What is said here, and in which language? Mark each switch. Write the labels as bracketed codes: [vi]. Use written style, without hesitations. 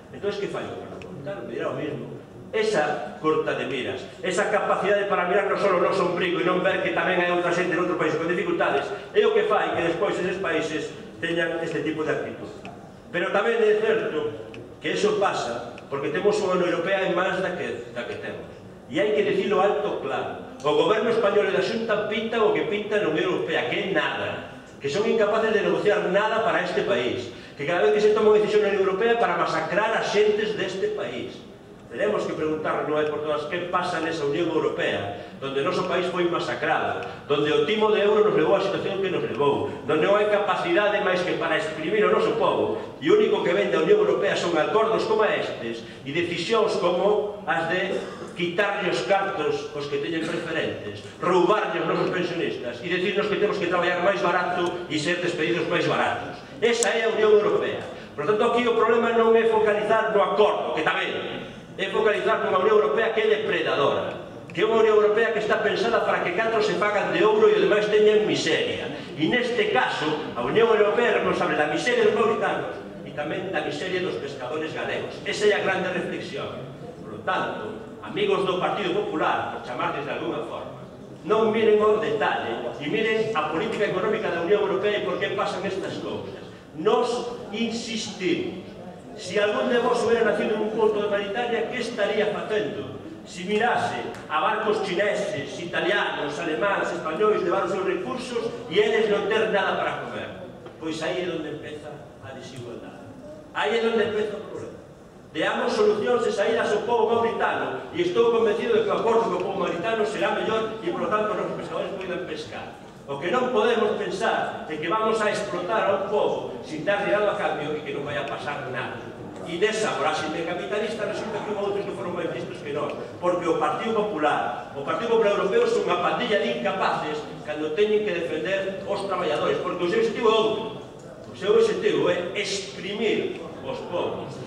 [gl] Entón, que fai o parlamentario? Me dirá o mesmo. Esa corta de miras, esa capacidade para mirar non só o noso ombrigo e non ver que tamén hai outra xente en outro país con dificultades, é o que fai que despois eses países teñan este tipo de actitud. Pero tamén é certo que eso pasa porque temos unha Unión Europea en máis da que temos. E hai que decirlo alto claro. O goberno español e da Xunta pinta o que pinta a Unión Europea, que é nada. Que son incapaces de negociar nada para este país. Que cada vez que se toma unha decisión na Unión Europea para masacrar a xentes deste país. [es] Tenemos que preguntar, no hay por todas, qué pasa en esa Unión Europea, donde nuestro país fue masacrado, donde el timo de euro nos llevó a la situación que nos llevó, donde no hay capacidad de más que para exprimir a nuestro pueblo, y lo único que vende a la Unión Europea son acuerdos como estos y decisiones como las de quitarle los cartos a los que tienen preferentes, robarle a nuestros pensionistas y decirnos que tenemos que trabajar más barato y ser despedidos más baratos. Esa es la Unión Europea. Por lo tanto, aquí el problema no es focalizar en el acuerdo, que también. [gl] É focalizar nunha Unión Europea que é depredadora, que é unha Unión Europea que está pensada para que catro se fagan de ouro e o demais teñen miseria. E neste caso, a Unión Europea é responsable da miseria dos mauritanos e tamén da miseria dos pescadores galegos. Esa é a grande reflexión. [es] Por lo tanto, [gl] amigos do Partido Popular, por chamarles de alguna forma, non miren o detalle e miren a política económica da Unión Europea e por que pasan estas cousas. [es] Nos insistimos. Si algún de vos hubiera nacido en un puerto de Mauritania, ¿qué estaría haciendo? Si mirase a barcos chineses, italianos, alemanes, españoles, de varios recursos y ellos no tener nada para comer. Pues ahí es donde empieza la desigualdad. Ahí es donde empieza el problema. Veamos soluciones de salida a su pueblo mauritano y estoy convencido de que el acuerdo con el pueblo mauritano será mejor y por lo tanto los pescadores puedan pescar. [gl] O que non podemos pensar de que vamos a explotar a un pobo sin dar dinero a cambio e que non vai a pasar nada. E desa frase capitalista resulta que houve outros que foron máis listos que non. Porque o Partido Popular Europeo son unha pandilla de incapaces cando teñen que defender os traballadores. Porque o seu objetivo é outro. O seu objetivo é exprimir os pobos.